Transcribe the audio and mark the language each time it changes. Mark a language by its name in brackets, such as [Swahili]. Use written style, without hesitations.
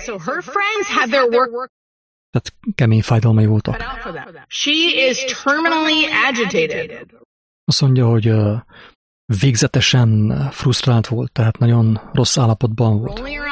[English] So her friends had their work. [Hungarian] Tehát kemény fájdalmai voltak. [English] She is terminally agitated. [Hungarian] Azt mondja, hogy végzetesen frusztrált volt, tehát nagyon rossz állapotban volt.